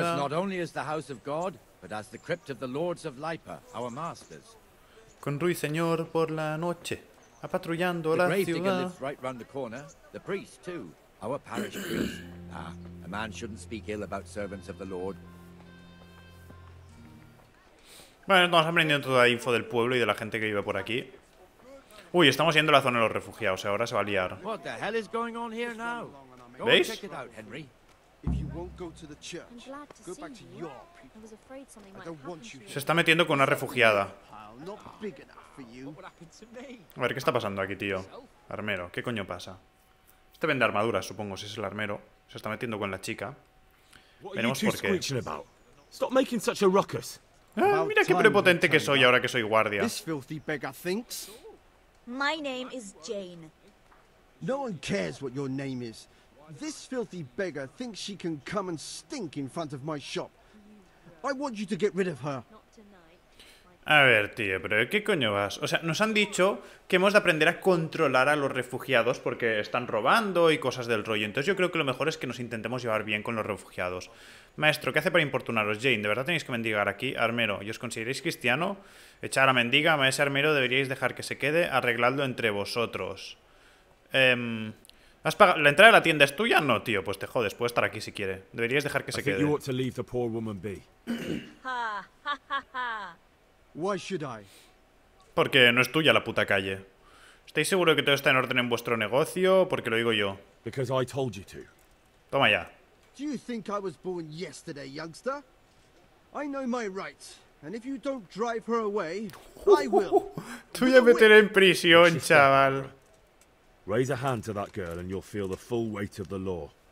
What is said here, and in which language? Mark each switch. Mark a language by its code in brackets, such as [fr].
[en] It serves not only as the house of God, but as the crypt of the lords of Lipa, our masters. [es] Con Ruiseñor por la noche. Apatrullando la ciudad. [en] The grave digger lives right round the corner. The priest, too. Our parish priest. Ah, a man shouldn't speak ill about servants of the Lord. [es] Bueno, estamos aprendiendo toda la info del pueblo y de la gente que vive por aquí. Uy, estamos yendo a la zona de los refugiados, ahora se va a liar. [en] What the hell is going on here now? [es] ¿Veis? [en] If you won't go to the church, go back to your people. I was afraid something might happen to you. [es] Se está metiendo con una refugiada. A ver, ¿qué está pasando aquí, tío? Armero, ¿qué coño pasa? Este vende armaduras, supongo, si es el armero. Se está metiendo con la chica. Veremos por qué. [en] Stop making such a ruckus. [es] Mira qué prepotente que soy ahora que soy guardia. [en] My name is Jane. No one cares what your name is. This filthy beggar thinks she can come and stink in front of my shop. I want you to get rid of her. [es] A ver, tío, pero ¿qué coño vas? O sea, nos han dicho que hemos de aprender a controlar a los refugiados porque están robando y cosas del rollo. Entonces yo creo que lo mejor es que nos intentemos llevar bien con los refugiados. Maestro, ¿qué hace para importunaros? Jane, ¿de verdad tenéis que mendigar aquí? Armero, ¿y os consideráis cristiano? Echar a mendiga, a ese armero deberíais dejar que se quede arreglando entre vosotros. ¿Has pagado? ¿La entrada de la tienda es tuya? No, tío, pues te jodes, puede estar aquí si quiere. Deberíais dejar que se quede. Creo que deberías dejar a la pobre mujer be. [en] Why should I? [es] Porque no es tuya la puta calle. ¿Estáis seguros de que todo está en orden en vuestro negocio? Porque lo digo yo. [en] Because I told you to. [es] Toma ya. [en] Do you think I was born yesterday, youngster? I know my rights, and if you don't drive her away, I will. [es] Te voy a meter en prisión, chaval. [en] Raise a hand to that girl and you'll feel the full weight of the law.